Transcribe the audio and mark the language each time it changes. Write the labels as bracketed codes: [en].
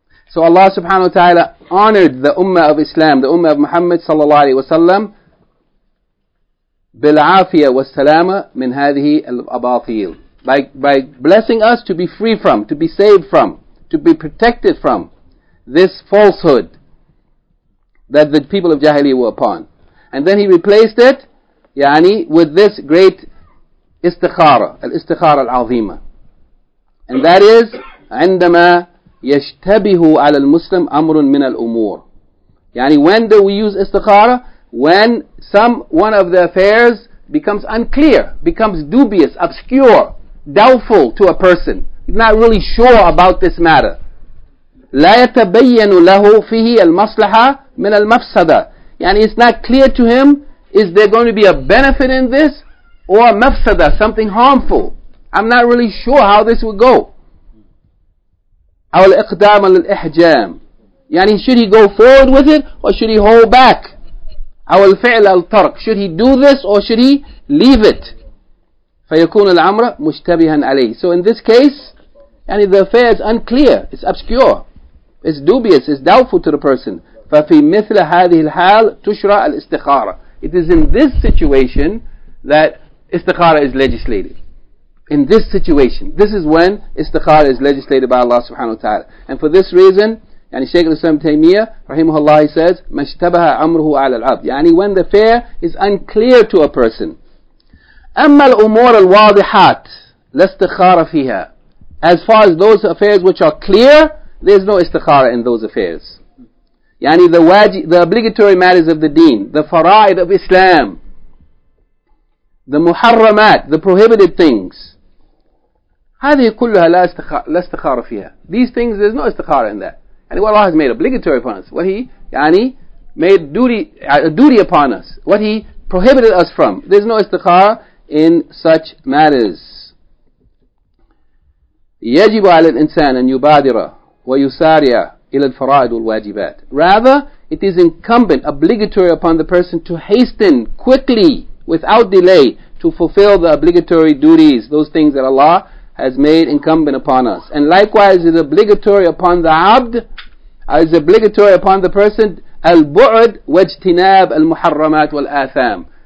[en] So Allah subhanahu wa ta'ala honored the Ummah of Islam, the Ummah of Muhammad sallallahu alayhi wa sallam, [ar] بِالْعَافِيَةِ وَالسَّلَامَةِ مِنْ هَذِهِ الْأَبَاطِيلِ, [en] by blessing us to be free from, to be saved from, to be protected from this falsehood that the people of Jahiliyyah were upon. And then he replaced it, يعني with this great استخارة, [ar] الاستخارة العظيمة. [en] And that is, [ar] عندما يشتبه على المسلم أمر من الأمور. [en] يعني when do we use استخارة? When some one of the affairs becomes unclear, becomes dubious, obscure, doubtful to a person. He's not really sure about this matter. [ar] لا يتبين له فيه المصلحة من المفسدة. [en] يعني it's not clear to him, is there going to be a benefit in this? Or a mafsada, something harmful? I'm not really sure how this would go. [ar] أو الإقدام للإحجام. [en] يعني should he go forward with it or should he hold back? [ar] أو الفعل الترك. [en] Should he do this or should he leave it? [ar] فيكون الأمر مشتبها عليه. [en] So in this case, يعني the affair is unclear, it's obscure, it's dubious, it's doubtful to the person. [ar] ففي مثل هذه الحال تشرع الاستخارة. [en] It is in this situation that istikhara is legislated. In this situation. This is when istikhara is legislated by Allah subhanahu wa ta'ala. And for this reason, يعني Shaykh al-Islam Taymiyyah, rahimahullah, he says, [ar] مَشْتَبَهَ عَمْرُهُ عَلَى الْعَبْدِ. [en] يعني when the affair is unclear to a person. [ar] أَمَّا الْأُمُورَ الْوَاضِحَاتِ لَا اسْتِخَارَ فِيهَا. [en] As far as those affairs which are clear, there's no istikhara in those affairs. يعني the obligatory matters of the deen, the fara'id of Islam, the muharramat, the prohibited things. [ar] هذه كلها لا استخارة فيها. [en] These things, there's no استخارة in that. And what Allah has made obligatory upon us, what He, يعني, made a duty upon us, what He prohibited us from, there's no استخارة in such matters. [ar] يجب على الإنسان أن يبادر ويسارع إلى الفرائض والواجبات. [en] Rather, it is incumbent, obligatory upon the person to hasten quickly, without delay, to fulfill the obligatory duties, those things that Allah has made incumbent upon us. And likewise, it is obligatory upon the abd, it is obligatory upon the person, [ar] al-bu'd wajtinab al-muharramat wal-atham.